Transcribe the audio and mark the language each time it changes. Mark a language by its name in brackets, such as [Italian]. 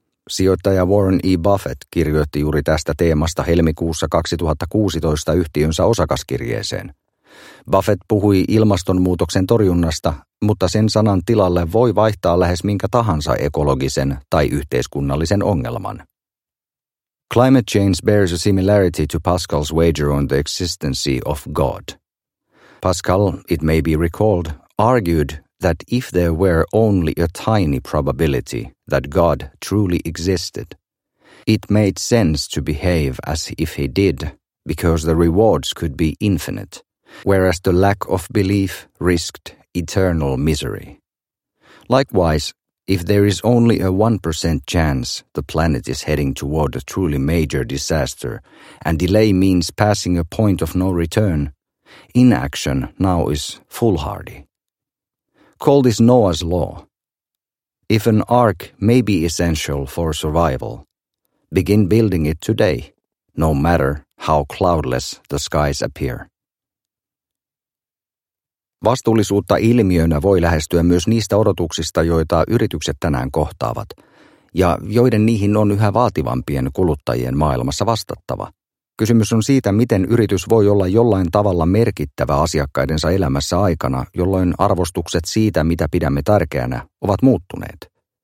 [Finnish] Sijoittaja Warren E. Buffett kirjoitti juuri tästä teemasta helmikuussa 2016 yhtiönsä osakaskirjeeseen. Buffett puhui ilmastonmuutoksen torjunnasta, mutta sen sanan tilalle voi vaihtaa lähes minkä tahansa ekologisen tai yhteiskunnallisen ongelman. [English] Climate change bears a similarity to Pascal's wager on the existence of God. Pascal, it may be recalled, argued that if there were only a tiny probability that God truly existed, it made sense to behave as if he did, because the rewards could be infinite, whereas the lack of belief risked eternal misery. Likewise, if there is only a 1% chance the planet is heading toward a truly major disaster, and delay means passing a point of no return, inaction now is foolhardy. Call this Noah's Law. If an ark may be essential for survival, begin building it today, no matter how cloudless the skies appear. [Finnish] Vastuullisuutta ilmiönä voi lähestyä myös niistä odotuksista, joita yritykset tänään kohtaavat, ja joiden niihin on yhä vaativampien kuluttajien maailmassa vastattava. Kysymys on siitä, miten yritys voi olla jollain tavalla merkittävä asiakkaidensa elämässä aikana, jolloin arvostukset siitä, mitä pidämme tärkeänä, ovat muuttuneet.